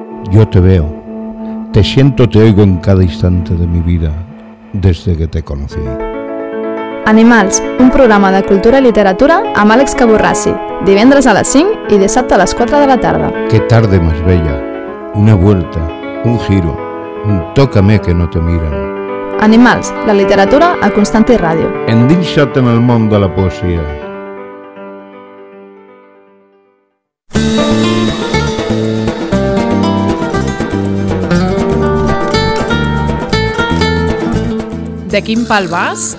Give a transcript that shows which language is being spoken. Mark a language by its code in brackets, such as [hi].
[es] Yo te veo, te siento, te oigo en cada instante de mi vida, desde que te conocí. [ca] Animals, un programa de cultura i literatura amb Àlex Caburrasi, divendres a les 5 i dissabte a les 4 de la tarda. [es] Qué tarde más bella, una vuelta, un giro, un tócame que no te miran. [ca] Animals, la literatura a Constantí Ràdio. Endinsa't en el món de la poesia. De quin pal vas?